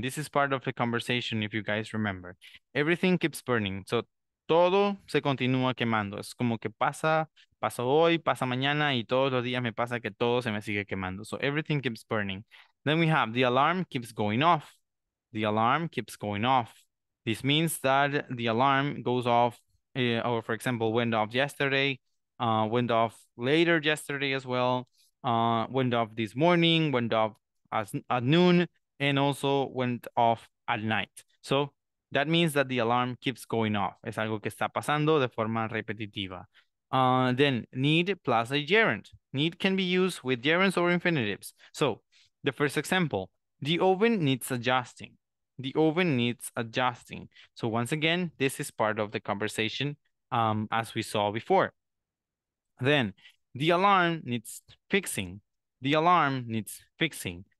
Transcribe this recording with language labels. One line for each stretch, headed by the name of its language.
English: This is part of the conversation, if you guys remember. Everything keeps burning. So,
Spanish: todo se continúa quemando. Es como que pasa, pasa hoy, pasa mañana, y todos los días me pasa que todo se me sigue quemando.
English: So, everything keeps burning. Then we have the alarm keeps going off. The alarm keeps going off. This means that the alarm goes off, or for example, went off yesterday, went off later yesterday as well, went off this morning, went off at noon, and also went off at night. So that means that the alarm keeps going off.
Spanish: Es algo que está pasando de forma repetitiva.
English: Then need plus a gerund. Need can be used with gerunds or infinitives. So the first example, the oven needs adjusting. The oven needs adjusting. So once again, this is part of the conversation as we saw before. Then the alarm needs fixing. The alarm needs fixing.